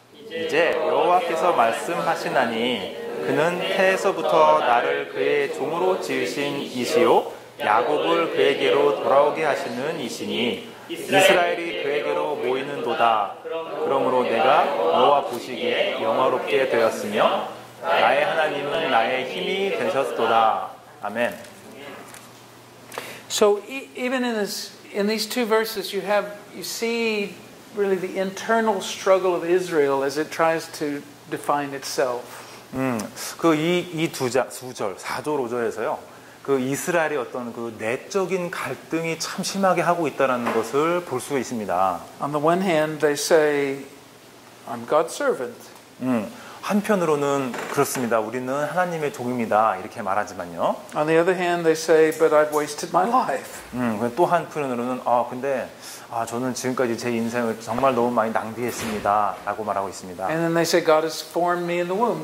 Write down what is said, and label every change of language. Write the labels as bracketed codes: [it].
[ko] 이제 여호와께서 말씀하시나니 그는 태에서부터 나를 그의 종으로 지으신 이시요. 야곱을 그에게로 돌아오게 하시는 이시니 이스라엘이 그에게로 모이는 도다. 그러므로 내가 너와 보시기에 영화롭게 되었으며 나의 하나님은 나의 힘이 되셨도다. 아멘. [en] So even in these two verses, you see really the internal struggle of Israel as it tries to define itself. [ko] 그 이 2절, 4절, 5절에서요. 그 이스라엘의 어떤 그 내적인 갈등이 참 심하게 하고 있다라는 것을 볼 수 있습니다. [en] On the one hand, they say, "I'm God's servant." [ko] 한편으로는 그렇습니다. 우리는 하나님의 종입니다. 이렇게 말하지만요. [en] On the other hand, they say, but I've wasted my life. [ko] 또 한편으로는 저는 지금까지 제 인생을 정말 너무 많이 낭비했습니다라고 말하고 있습니다. [en] And then they say, God has formed me in the womb.